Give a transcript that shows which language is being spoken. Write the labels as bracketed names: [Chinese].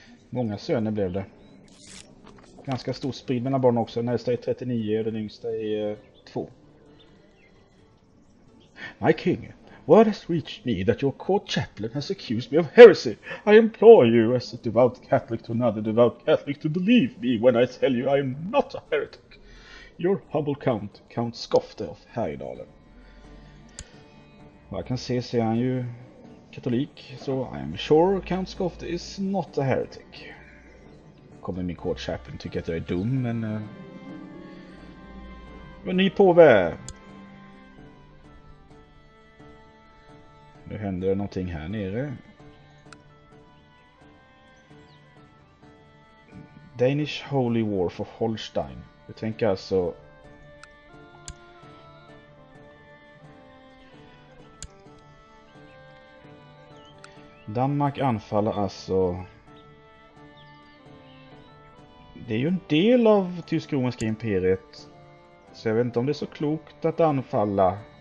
[Swedish] Många söner blev det. Ganska stor sprid mellan barn också. Den äldsta är 39 och den yngsta är 2. [English] My king, word has reached me that your court chaplain has accused me of heresy. I implore you as a devout Catholic to another devout Catholic to believe me when I tell you I am not a heretic. Your humble count, Count Skofte of Härjedalen. [Swedish] Vad jag kan se ser han ju katolik, så [English] I am sure Count Skofte is not a heretic. [Swedish] Kommer min court chaplain tycker att jag är dum, men vad ny påve! Nu händer det någonting här nere. [English] Danish Holy War for Holstein. [Swedish] Jag tänker alltså Danmark anfaller alltså. Det är ju en del av tysk-romerska imperiet. Så jag vet inte om det är så klokt att anfalla.